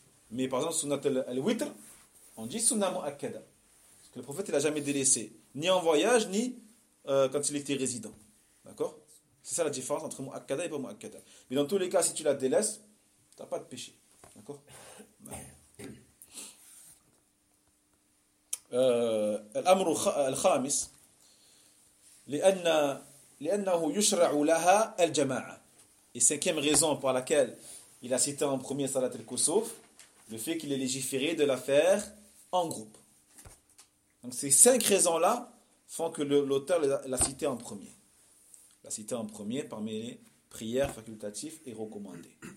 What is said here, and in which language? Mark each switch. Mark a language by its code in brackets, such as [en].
[fr] Mais par exemple, sunnat al-witr, on dit sunna mu'akkada. Que le prophète, il n'a jamais délaissé, ni en voyage, ni quand il était résident. D'accord ? C'est ça la différence entre mu'akkada et pas mu'akkada. Mais dans tous les cas, si tu la délaisses, tu n'as pas de péché. D'accord ? [ar] الأمر الخامس لأنه يشرع لها الجماعة. [fr] Et cinquième raison pour laquelle il a cité en premier Salat al-Kusuf, le fait qu'il est légiféré de la faire en groupe. Donc ces cinq raisons-là font que l'auteur l'a cité en premier. L'a cité en premier parmi les prières facultatives et recommandées.